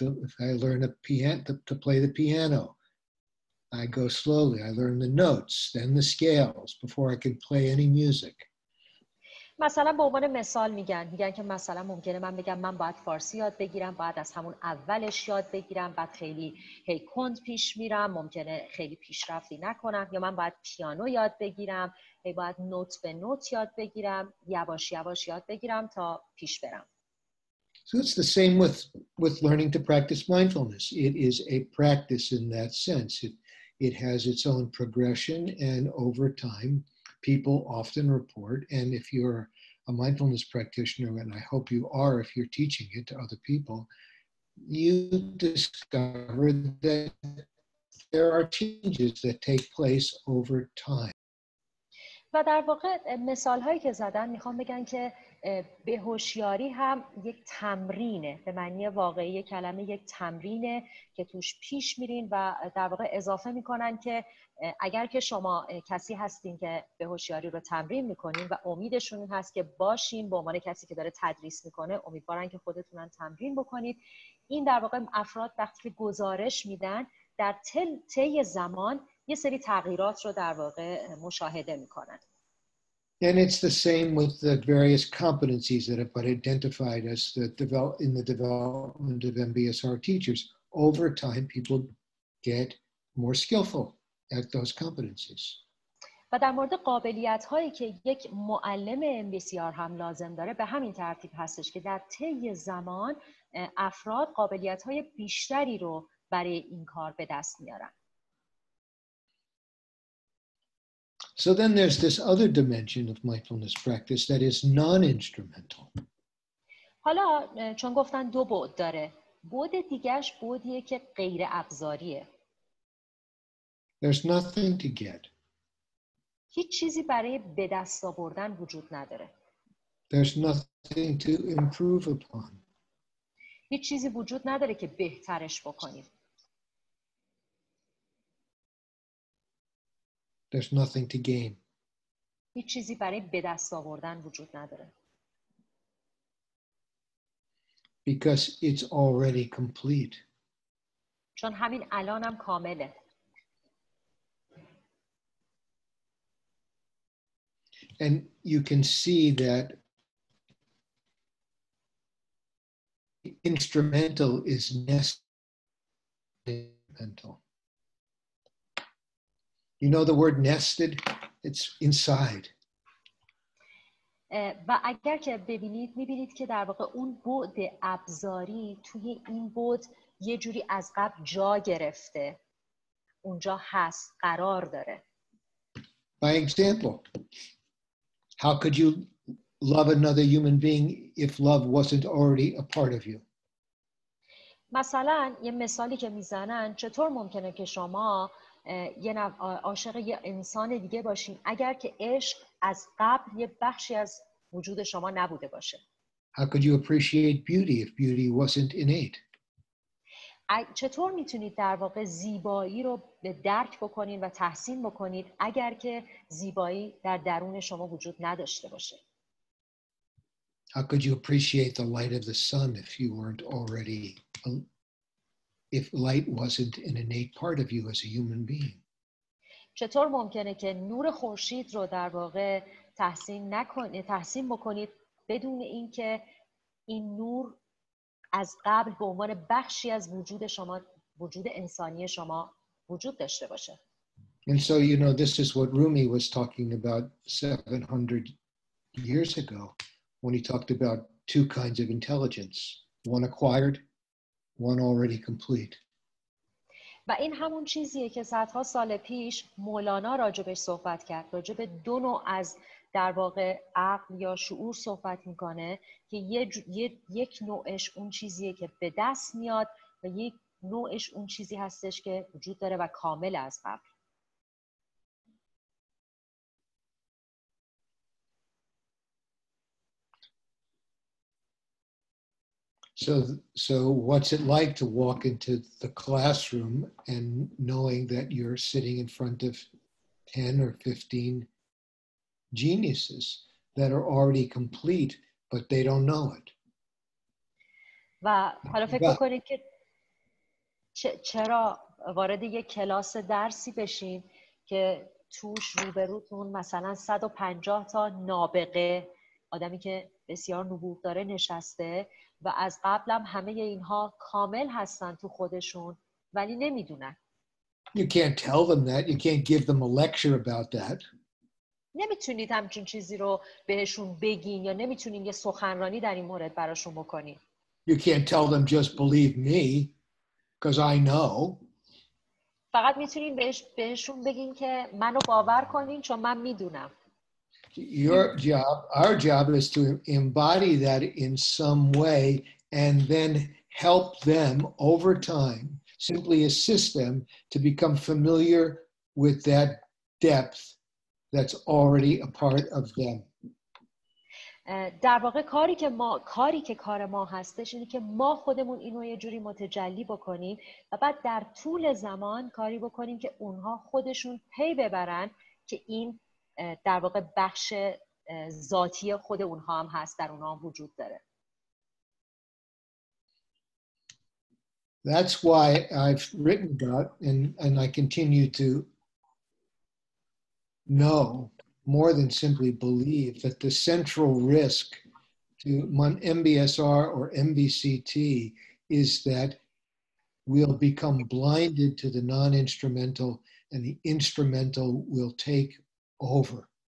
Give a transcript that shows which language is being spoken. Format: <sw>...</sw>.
<en>If I learn to play the piano, I go slowly. I learn the notes, then the scales, before I can play any music.</en> <fa>مثلا به عنوان مثال میگن که مثلا ممکنه من بگم من باید فارسی یاد بگیرم، باید از همون اولش یاد بگیرم، بعد خیلی هی کند پیش میرم، ممکنه خیلی پیشرفتی نکنم، یا من باید پیانو یاد بگیرم، هی باید نوت به نوت یاد بگیرم، یواش یواش یاد بگیرم تا پیش برم.</fa> <en>So it's the same with learning to practice mindfulness. It is a practice in that sense. It has its own progression and over time people often report, and if you're a mindfulness practitioner, and I hope you are if you're teaching it to other people, you discover that there are changes that take place over time.</en> <fa>و در واقع مثال هایی که زدن میخوام بگن که بهوشیاری هم یک تمرینه، به معنی واقعی کلمه یک تمرینه که توش پیش میرین و در واقع اضافه میکنن که اگر که شما کسی هستین که بهوشیاری رو تمرین میکنین و امیدشون این هست که باشین به عنوان کسی که داره تدریس میکنه، امیدوارن که خودتونن تمرین بکنید. این در واقع افراد وقتی که گزارش میدن در طی زمان یه سری تغییرات رو در واقع مشاهده میکنن.</fa> <en>And it's the same with the various competencies that have been identified as the development of MBSR teachers. Over time, people get more skillful at those competencies.</en> <fa>و در مورد قابلیت هایی که یک معلم MBSR هم لازم داره به همین ترتیب هستش که در طی زمان افراد قابلیت های بیشتری رو برای این کار به دست میارن.</fa> <en>So then there's this other dimension of mindfulness practice that is non-instrumental.</en> <fa>حالا چون گفتن دو بُعد داره، بُعد دیگه‌اش بُعدیه که غیر ابزاریه.</fa> <en>There's nothing to get.</en> <fa>هیچ چیزی برای به دست آوردن وجود نداره.</fa> <en>There's nothing to improve upon.</en> <fa>هیچ چیزی وجود نداره که بهترش بکنیم.</fa> <en>There's nothing to gain.</en> <fa>هیچ چیزی برای به دست آوردن وجود نداره.</fa> <en>Because it's already complete.</en> <fa>چون همین الانم کامله.</fa> <en>And you can see that instrumental is instrumental. You know the word nested? It's inside.</en> <fa>و اگر که ببینید میبینید که در واقع اون بُعد ابزاری توی این بُعد یه جوری از قبل جا گرفته، اونجا هست، قرار داره.</fa> <en>By example, how could you love another human being if love wasn't already a part of you?</en> <fa>مثلا یه مثالی که میزنن، چطور ممکنه که شما یه عاشق یه انسان دیگه باشین اگر که عشق از قبل یه بخشی از وجود شما نبوده باشه؟</fa> <en>How could you appreciate beauty if beauty wasn't innate?</en> <fa>چطور میتونید در واقع زیبایی رو به درک بکنید و تحسین بکنید اگر که زیبایی در درون شما وجود نداشته باشه؟</fa> <en>How could you appreciate the light of the sun if you weren't already, if light wasn't an innate part of you as a human being?</en> <fa>چطور ممکنه که نور خورشید رو در واقع تحسین نکنید، تحسین بکنید بدون اینکه این نور از قبل به عنوان بخشی از وجود شما، وجود انسانی شما وجود داشته باشه؟</fa> <en>And so, you know, this is what Rumi was talking about 700 years ago when he talked about two kinds of intelligence, one acquired, one already complete.</en> <fa>و این همون چیزیه که صدها سال پیش مولانا راجبش صحبت کرد، راجب دو نوع از در واقع عقل یا شعور صحبت میکنه که یک نوعش اون چیزیه که به دست میاد و یک نوعش اون چیزی هستش که وجود داره و کامل از قبل.</fa> <en>So what's it like to walk into the classroom and knowing that you're sitting in front of 10 or 15 geniuses that are already complete, but they don't know it.</en> <fa>و حالا فکر کنید که چرا وارد یک کلاس درسی بشین که توش روبروتون مثلا 150 تا نابغه، آدمی که بسیار نبوغ داره، نشسته و از قبل هم همه اینها کامل هستن تو خودشون ولی نمیدونن.</fa> <en>You can't tell them that. You can't give them a lecture about that.</en> <fa>نمیتونید همچین چیزی رو بهشون بگین یا نمیتونید یه سخنرانی در این مورد براشون بکنید.</fa> <en>You can't tell them just believe me because I know.</en> <fa>فقط میتونید بهشون بگین که منو باور کنین چون من میدونم.</fa> <en>Our job is to embody that in some way and then help them over time, simply assist them to become familiar with that depth that's already a part of them.</en> <fa>در واقع کاری که کار ما هستش اینه که ما خودمون اینو یه جوری متجلی بکنیم و بعد در طول زمان کاری بکنیم که اونها خودشون پی ببرن که این در واقع بخش ذاتی خود اونها هم هست، در اونها هم وجود داره.</fa> <en>That's why I've written about and I continue to know more than simply believe that the central risk to MBSR or MBCT is that we'll become blinded to the non-instrumental and the instrumental will take over.</en>